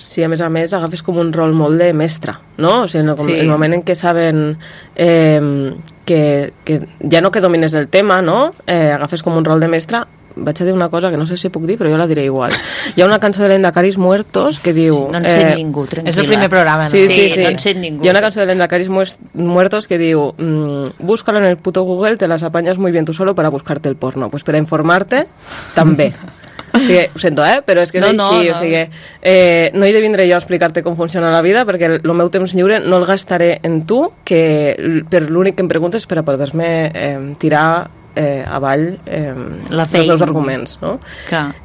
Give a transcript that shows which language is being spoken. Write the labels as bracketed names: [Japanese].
[Catalan] Sí, a més agafes com un rol molt de mestre, no? O sigui, el moment en què saben que ja no que domines el tema, no? Agafes com un rol de mestre. Vaig a dir una cosa que no sé si puc dir, però jo la diré igual. Hi ha una cançó de l'Endacaris Muertos que diu... No en sé ningú, tranquil·la. És el primer programa, no? Sí. No en sé ningú. Hi ha una cançó de l'Endacaris Muertos que diu [Spanish] búscalo en el puto Google, te las apañas muy bien tú solo para buscarte el porno. Pues para informarte, també. [Catalan] O sigui, ho sento, però és que és no, així. No, no. O sigui, no he de vindre jo a explicar-te com funciona la vida, perquè el meu temps lliure no el gastaré en tu, que per l'únic que em preguntes és per a poder-me tirar avall els meus arguments. No? Clar.